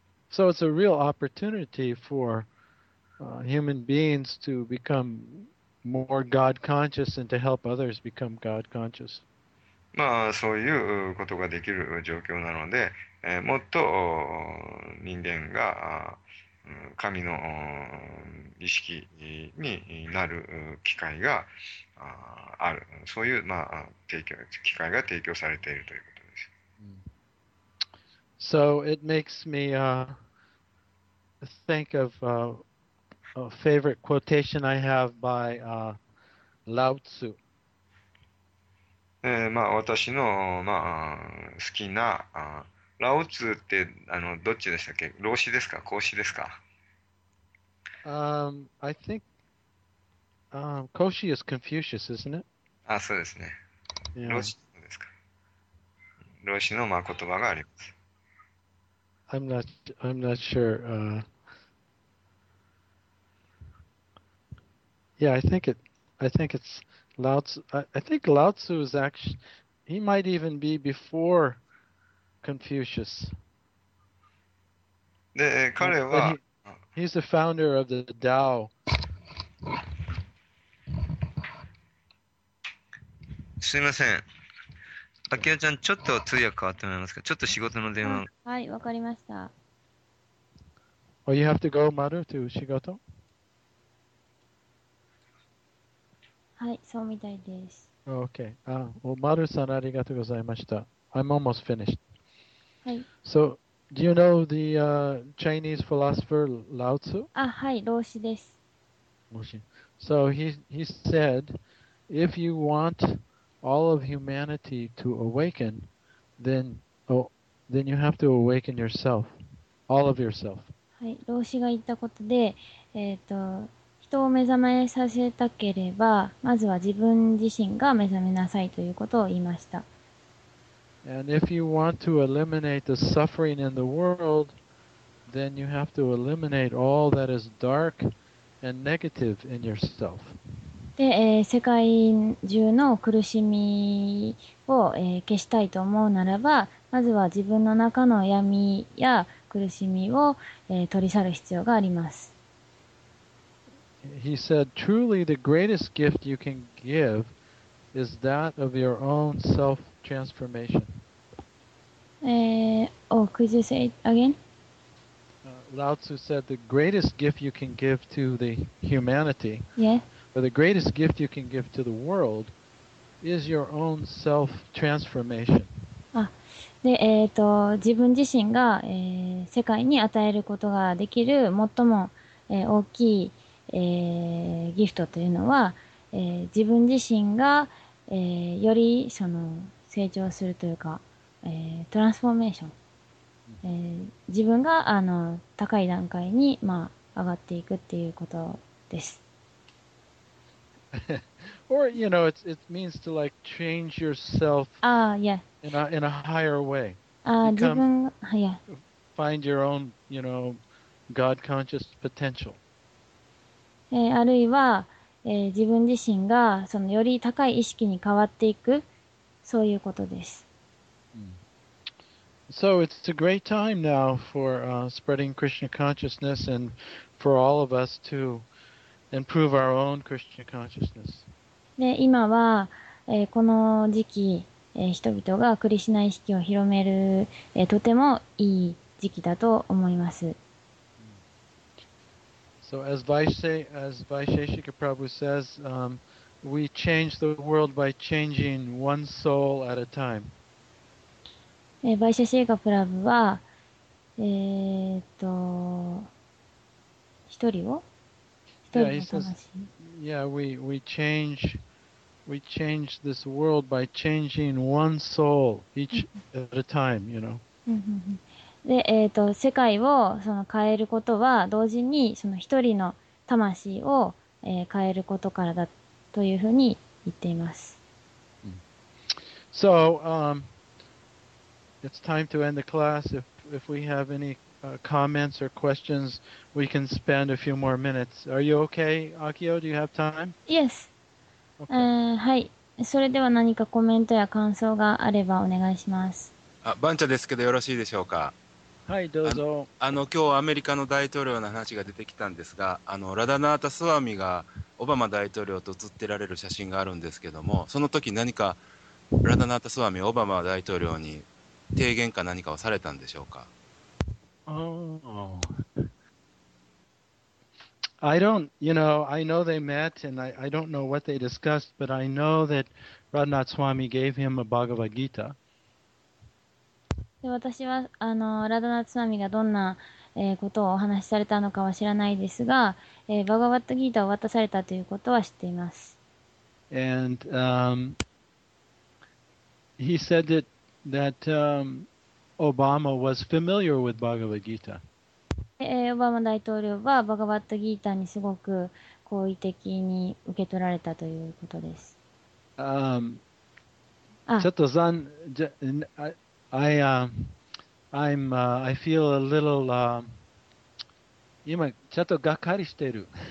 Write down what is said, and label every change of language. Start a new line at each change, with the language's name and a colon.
English: So it's a real opportunity for human beings to become more God conscious and to help others become God conscious.
Japanese: まあそういうことができる状況なので、もっと人間が神の意識になる機会がある。そういう、まあ、機会が提供されているということです。
English: So it makes me think of a favorite quotation I have by Lao Tzu.
Japanese: まあ、私の、まあ、好きなラオツってどっちでしたっけ？老子ですか？孔子ですか？
English: I think Koshi is Confucius, isn't it?
Japanese: Ah, そうですね。老子ですか。老子のまあ言葉があります。
English: I'm not sure. I think it's Lao Tzu. I think Lao Tzu is actually, he might even be before Confucius.
Japanese: で、彼は。
English: He's the founder of the Tao.
Japanese: すみません。あきらちゃん、ちょっと通訳変わってもらえますか？ちょっと仕事の電話。はい、わかりました。
English: Oh, you have to go, Maru, to 仕事？
Japanese: はい、そうみたいです。
English: Okay.
Japanese: Maru さん、ありがとうございました。
English: I'm almost finished.
Japanese: はい。
English: So,Do you know the Chinese philosopher Lao Tzu?
Japanese: Ah, はい、老子です。老子。
English: So he said, if you want all of humanity to awaken, then you have to awaken yourself, all of yourself.
Japanese: はい、老子が言ったことで、人を目覚めさせたければ、まずは自分自身が目覚めなさいということを言いました。
English: And if you want to eliminate the suffering in the world, then you have to eliminate all that is dark and negative in yourself.
Japanese: で、世界中の苦しみを、消したいと思うならば、まずは自分の中の闇や苦しみを、取り去る必要があります。
English: He said, truly the greatest gift you can give is that of your own self-transformation. Oh, could you say it again? Lao Tzu said the greatest gift you can give to the humanity, yeah, or the greatest gift you can give to the world, is your own self-transformation.
Japanese: で、自分自身が、世界に与えることができる最も、大きい、ギフトというのは、自分自身が、よりその成長するというか、トランスフォーメーション、自分が高い段階に、まあ、上がっていくっていうことです。
English: Or, you know, it means to like change yourself. Ah, yeah. In a higher way.
Japanese: Ah, 自分が、yeah.
English: Find your own, you know, God conscious potential.
Japanese: あるいは、自分自身がそのより高い意識に変わっていく、そういうことです。
English: So it's a great time now for spreading Krishna consciousness and for all of us to improve our own Krishna consciousness.
Japanese: で今は、この時期、人々がクリシュナ意識を広める、とてもいい時期だと思います。
English: So as Vaisheshika Prabhu says, we change the world by changing one soul at a time.
Japanese: Vaisheshika Prabhu は、一人を一人の魂。
English: Yeah, we change. We change this world by changing one soul each at a time, you know.
Japanese: で、世界をその変えることは同時にその一人の魂を、変えることからだというふうに言っています。
English: So, it's time to end the class. If we have any comments or questions, we can spend a few more minutes. Are you okay, Akio? Do you have time? Yes. Okay.
Japanese: はい。それでは何かコメントや感想があればお願いします。あ、バンチャですけどよろしいでしょうか。はい、どうぞ。あの今日アメリカの大統領の話が出てきたんですが、あのラダナータスワミがオバマ大統領と写ってられる写真があるんですけども、その時何かラダナータスワミオバマ大統領に提言か何かをされたんでしょうか。
English: I don't, you know, I know they met and I don't know what they discussed, but I know that Radhanath Swami gave him a Bhagavad Gita.
Japanese: で、私は、Radhanath Swami がどんな、ことをお話しされたのかは知らないですが、Bhagavad Gita を渡されたということは知っています。
English: And, he said that Obama was familiar with Bhagavad Gita.
Japanese: オバマ大統領はバガバットギーターにすごく好意的に受け取られたということです。ちょっと残念。
English: I feel a little,
Japanese: 今ちょっとがっかりしてる。